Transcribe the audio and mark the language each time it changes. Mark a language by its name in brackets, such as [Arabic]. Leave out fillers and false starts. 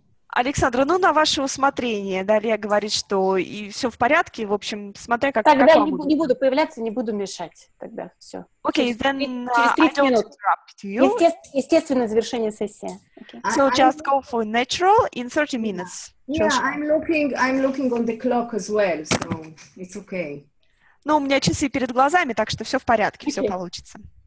[Russian] Александра, ну на ваше усмотрение, Дарья говорит, что и все в порядке, в общем, смотря как... Тогда я не буду появляться, не буду мешать, тогда все. Окей, через 30 минут. Естественно, завершение сессии. [English] Okay. So just go for natural in 30 minutes. Yeah, I'm looking on the clock as well, so it's okay. [Russian] Ну, у меня часы перед глазами, так что все в порядке, okay. Все получится.